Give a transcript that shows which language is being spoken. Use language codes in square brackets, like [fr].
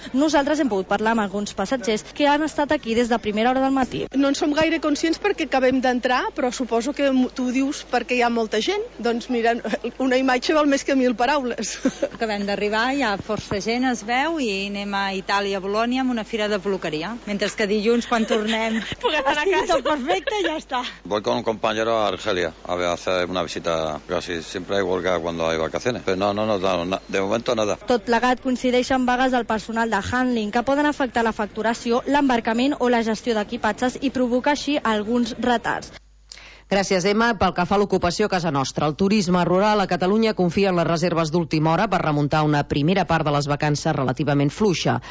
[ca] Nosaltres hem pogut parlar amb alguns passatgers que han estat aquí des de primera hora del matí. No en som gaire conscients perquè acabem d'entrar, però suposo que tu dius perquè hi ha molta gent. Doncs mira, una imatge val més que mil paraules. Acabem d'arribar, hi ha força gent, es veu, i anem a Itàlia, a Bolònia, amb una fira de peluqueria. Mentre que dilluns, quan tornem, estigui tot perfecte i ja està. [es] Voy con un compañero a Argelia a hacer una visita, casi siempre igual que cuando hay vacaciones. Pero no, de momento nada. [ca] Tot plegat coincideix amb vagues del personal de handling que poden afectar la facturació, l'embarcament o la gestió d'equipatges i provoca així alguns retards. Gràcies, Emma. Pel que fa a l'ocupació a casa nostra, el turisme rural a Catalunya confia en les reserves d'última hora per remuntar una primera part de les vacances relativament fluixa.